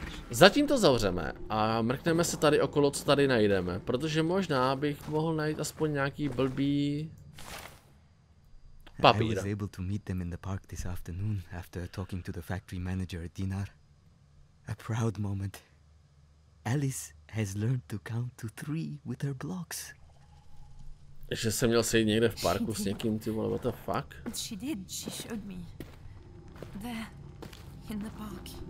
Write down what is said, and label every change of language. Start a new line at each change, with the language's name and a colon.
Czech: Zatím to zavřeme a mrkneme se tady okolo, co tady najdeme, protože možná bych mohl najít aspoň nějaký blbý papír.
English: I was able to meet them in the park this afternoon after talking to the factory manager at Dinar. A proud moment. Alice has learned to count to three with her blocks.
Czech: Že jsem měl sejít někde v parku s někým, ty vole,
English: what the fuck? She did, she showed me. There, in the park.